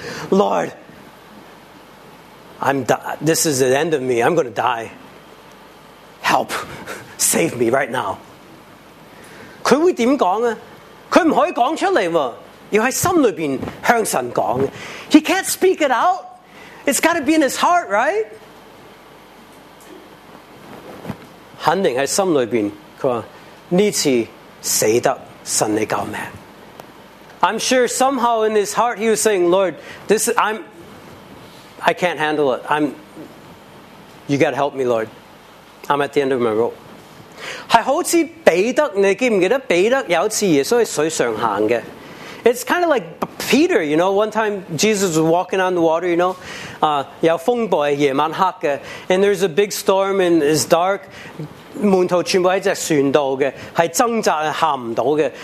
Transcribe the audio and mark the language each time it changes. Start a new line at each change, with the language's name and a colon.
English: Lord, this is the end of me. I'm going to die. Help. Save me right now.
Chinese: 他会怎么说呢？他不可以说出来，要在心里面向神说。
English: He can't speak it out. It's got to be in his heart, right?
Chinese: 肯定在心里面，他说，这次死得，神你救命。
English: I'm sure somehow in his heart he was saying, Lord, I can't handle it. You got to help me, Lord. I'm at the end of my rope.
Chinese: 是好像彼得，你记不记得彼得有一次耶稣在水上行的？
English: It's kind of like Peter, you know, one time Jesus was walking on the water, you know,
Chinese: 有风暴，夜晚黑的，
English: and there's a big storm and it's dark.
Chinese: 门徒全部在只船道的，是挣扎是喊不到的。